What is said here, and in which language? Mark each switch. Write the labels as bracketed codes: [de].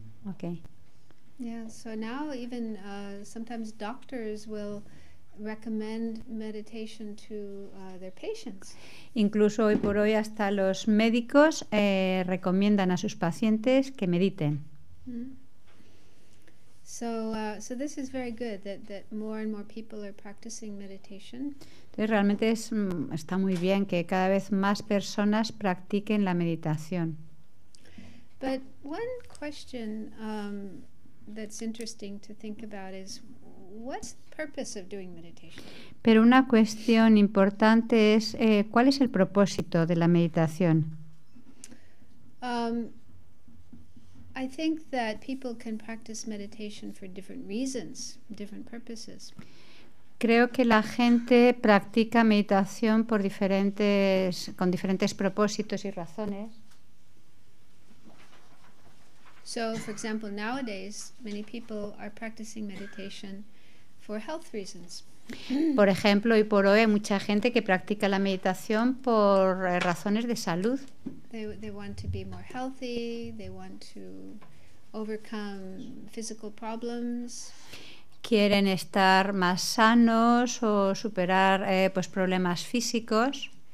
[en] Okay. Yeah, so now even sometimes doctors will recommend meditation to their patients. [es] Incluso hoy por hoy hasta los médicos recomiendan a sus pacientes que mediten. [en] So this is very good that more and more people are practicing meditation. [es] Entonces realmente está muy bien que cada vez más personas practiquen la meditación. [en] But one question that's interesting to think about is, what's the purpose of doing meditation? [es] Pero una cuestión importante es, ¿cuál es el propósito de la meditación? [en] I think that people can practice meditation for different reasons, different purposes. [es] Creo que la gente practica meditación por diferentes, con diferentes propósitos y razones. [en] So, for example, nowadays many people are practicing meditation for health reasons. [es] Por ejemplo, hoy por hoy hay mucha gente que practica la meditación por razones de salud. [en] They want to be more healthy, they want to overcome physical problems. [es] Quieren estar más sanos o superar pues problemas físicos.